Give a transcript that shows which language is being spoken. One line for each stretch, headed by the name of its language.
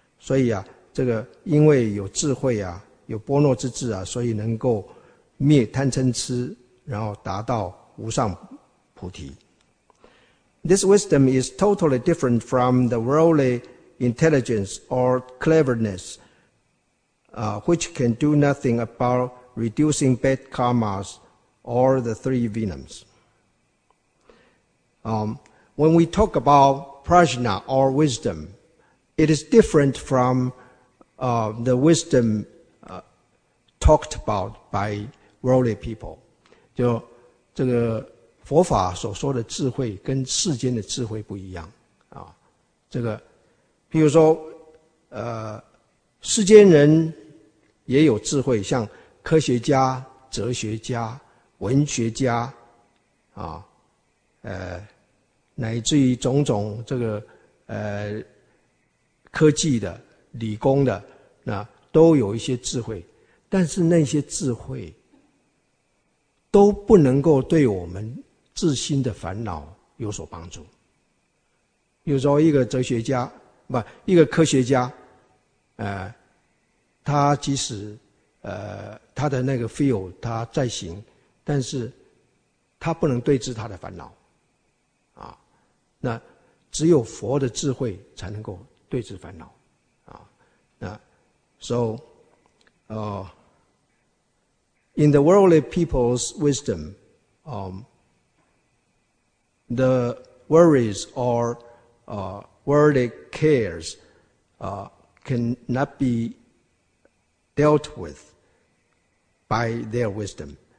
Chinese: 所以啊，这个因为有智慧啊，有波若之智啊，所以能够灭贪嗔痴，然后达到无上菩提。
English: This wisdom is totally different from the worldly intelligence or cleverness, which can do nothing about reducing bad karmas or the three venoms. When we talk about prajna or wisdom, it is different from the wisdom talked about by worldly people.
Chinese: 就这个佛法所说的智慧跟世间的智慧不一样啊。这个譬如说世间人也有智慧，像科学家、哲学家、文学家啊，乃至于种种这个科技的、理工的，那都有一些智慧，但是那些智慧都不能够对我们自心的烦恼有所帮助。比如说一个哲学家，不，一个科学家，他即使他的那个 field 他再行，但是他不能对治他的烦恼啊。那只有佛的智慧才能够对治烦恼啊。
English: 那 so in the worldly people's wisdom, the worries or worldly cares cannot be dealt with by their wisdom.